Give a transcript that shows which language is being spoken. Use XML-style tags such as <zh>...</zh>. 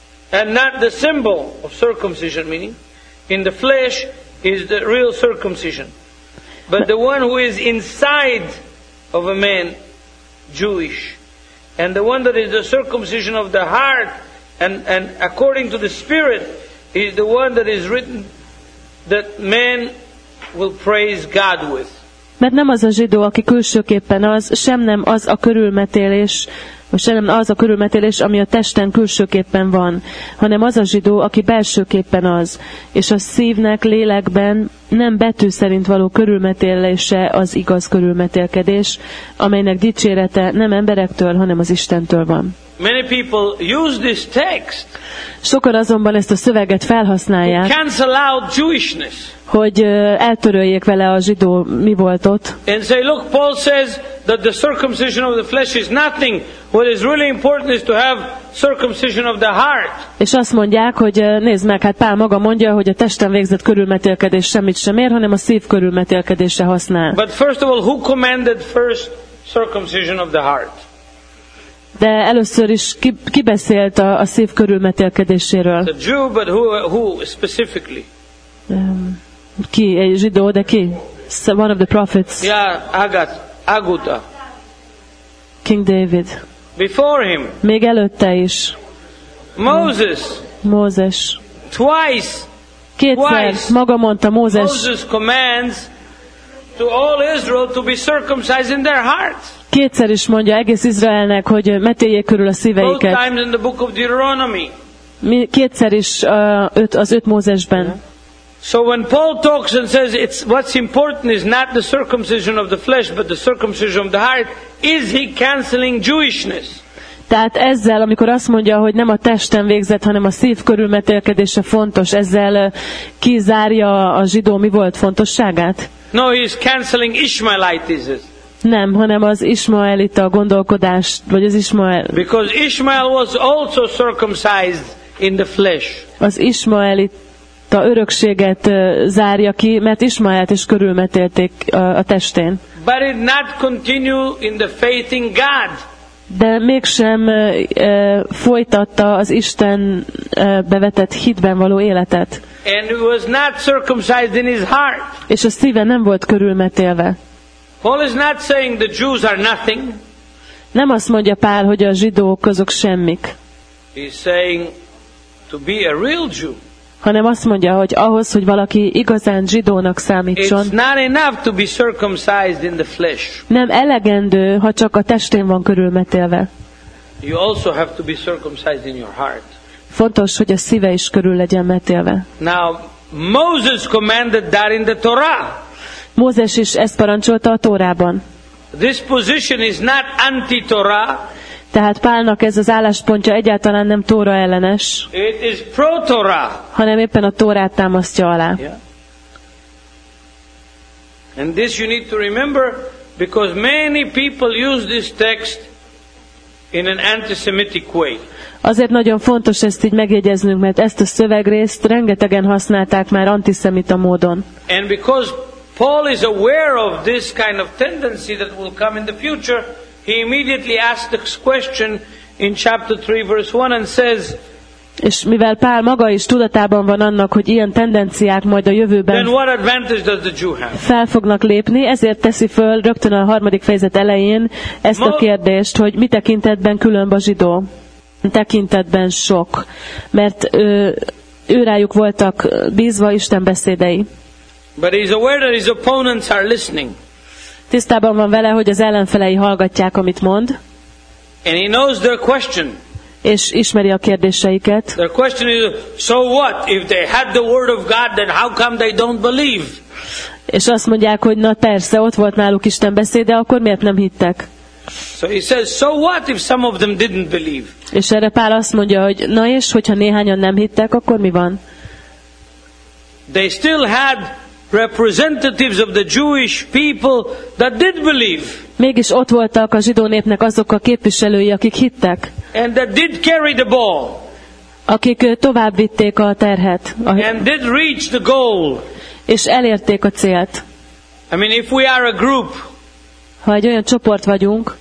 <en>and not the symbol of circumcision, meaning in the flesh is the real circumcision, but the one who is inside of a man, Jewish, and the one that is the circumcision of the heart, and according to the Spirit, is the one that is written that man will praise God with.</en> <hu>Mert nem az a zsidó, aki külsőképpen az, sem nem az a körülmetélés, sem nem az a körülmetélés, ami a testen külsőképpen van, hanem az a zsidó, aki belsőképpen az, és a szívnek, lélekben nem betű szerint való körülmetélése az igaz körülmetélkedés, amelynek dicsérete nem emberektől, hanem az Istentől van.</hu> <en>Many people use this text.</en> <hu>Sokan azonban ezt a szöveget felhasználják.</hu> <en>Cancel out Jewishness.</en> <hu>Hogy eltöröljék vele a zsidó mi volt ott.</hu> <en>And say, look, Paul says that the circumcision of the flesh is nothing. What is really important is to have circumcision of the heart.</en> <hu>És azt mondják, hogy nézd meg, hát Pál maga mondja, hogy a testen végzett körülmetélkedés semmit sem ér, hanem a szív körülmetélkedése használ.</hu> <en>But first of all, who commanded first circumcision of the heart?</en> <hu>De először is ki beszélt a szív körülmetélkedéséről?</hu> <en>The Jew, but who specifically?</en> <hu>Ki? Egy zsidó, de ki?</hu> <en>One of the prophets. Yeah, Agatha. King David. Before him.</en> <hu>Még előtte is.</hu> <en>Moses.</en> <hu>Mózes.</hu> <en>Twice.</en> <hu>Kétszer.</hu> <en>Twice.</en> <hu>Maga mondta Mózes.</hu> <en>Moses commands to all Israel to be circumcised in their hearts.</en> <hu>Kétszer is mondja egész Izraelnek, hogy metéljék körül a szíveiket.</hu> <en>Both times in the book of Deuteronomy.</en> <hu>Kétszer is az öt Mózesben.</hu> <en>So when Paul talks and says it's what's important is not the circumcision of the flesh but the circumcision of the heart, is he canceling Jewishness?</en> <hu>Tehát ezzel, amikor azt mondja, hogy nem a testen végzett, hanem a szív körülmetélkedése fontos, ezzel kizárja a zsidó mi volt fontosságát?</hu> <en>No, he is canceling Ishmaelitism.</en> <hu>Nem, hanem az Ismaelita gondolkodás, vagy az Ismael.</hu> <en>Because Ishmael was also circumcised in the flesh.</en> <hu>Az Ismaelita örökséget zárja ki, mert Ismaelt is körülmetélték a testén.</hu> <en>But it not continue in the faith in God.</en> <hu>de mégsem folytatta az Isten bevetett hitben való életet.</hu> <en>And he was not circumcised in his heart.</en> <hu>És a szíve nem volt körülmetélve.</hu> <en>Paul is not saying the Jews are nothing.</en> <hu>Nem azt mondja Pál, hogy a zsidók azok semmik.</hu> <en>He's saying to be a real Jew.</en> <hu>Hanem azt mondja, hogy ahhoz, hogy valaki igazán zsidónak számítson,</hu> <en>it's not enough to be circumcised in the flesh.</en> <hu>Nem elegendő, ha csak a testén van körülmetélve.</hu> <en>You also have to be circumcised in your heart.</en> <hu>Fontos, hogy a szíve is körül legyen metélve.</hu> <en>Now, Moses commanded that in the Torah.</en> <hu>Mózes is ezt parancsolta a Tórában.</hu> <en>This position is not anti-Torah.</en> <hu>Tehát Pálnak ez az álláspontja egyáltalán nem Tóra ellenes,</hu> <en>it is pro-Torah,</en> <hu>hanem éppen a Tórát támasztja alá.</hu> <en>Yeah. And this you need to remember, because many people use this text in an anti-Semitic way.</en> <hu>Azért nagyon fontos ezt így megjegyeznünk, mert ezt a szövegrészt rengetegen használták már antiszemita módon.</hu> <en>And because Paul is aware of this kind of tendency that will come in the future, he immediately asks the question in chapter 3 verse 1 and says,</en> <hu>és mivel Pál maga is tudatában van annak, hogy ilyen tendenciák majd a jövőben,</hu> <en>then what advantage does the Jew have?</en> <hu>Fel fognak lépni, ezért teszi föl rögtön a harmadik fejezet elején ezt a kérdést, hogy mi tekintetben különb a zsidó. Tekintetben sok, mert őrájuk voltak bízva Isten beszédei.</hu> <en>But he's aware that his opponents are listening.</en> <hu>Tisztában van vele, hogy az ellenfelei hallgatják, amit mond.</hu> <en>And he knows their question.</en> <hu>És ismeri a kérdéseiket.</hu> <en>Their question is, so what? If they had the word of God, then how come they don't believe?</en> <hu>És azt mondják, hogy na persze, ott volt náluk Isten beszéde, akkor miért nem hittek?</hu> <en>So he says, so what if some of them didn't believe?</en> <hu>És erre Pál azt mondja, hogy na és, hogyha néhányan nem hittek, akkor mi van?</hu> <en>They still had representatives of the Jewish people that did believe.</en> <hu>Mégis ott voltak a zsidó népnek azok a képviselői, akik hittek.</hu> <en>And that did carry the ball.</en> <hu>Akik tovább vitték a terhet.</hu> <en>And did reach the goal.</en> <hu>És elérték a célt.</hu> <en>I mean, if we are a group,</en> <hu>ha egy olyan csoport vagyunk,</hu>